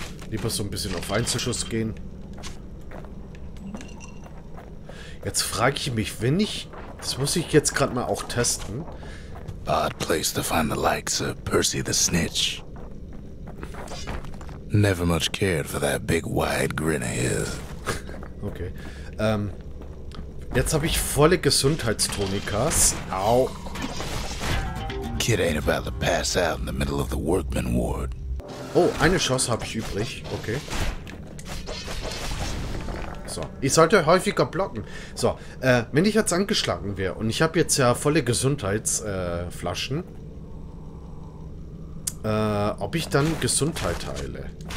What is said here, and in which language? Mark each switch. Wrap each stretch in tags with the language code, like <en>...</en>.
<de>Lieber so ein bisschen auf Einzelschuss gehen. Jetzt frage ich mich, wenn ich... Das muss ich jetzt gerade mal auch testen.</de> <en>Odd place to find the likes of Percy the Snitch. Never much cared for that big wide grin of his.</en> <de>Okay. Jetzt habe ich volle Gesundheitstonikas. Au.</de> <en>Kid ain't about to pass out in the middle of the workman ward.</en> <de>Oh, eine Chance habe ich übrig. Okay. So, ich sollte häufiger blocken. So, wenn ich jetzt angeschlagen wäre und ich habe jetzt ja volle Gesundheitsflaschen. Ob ich dann Gesundheit heile.</de>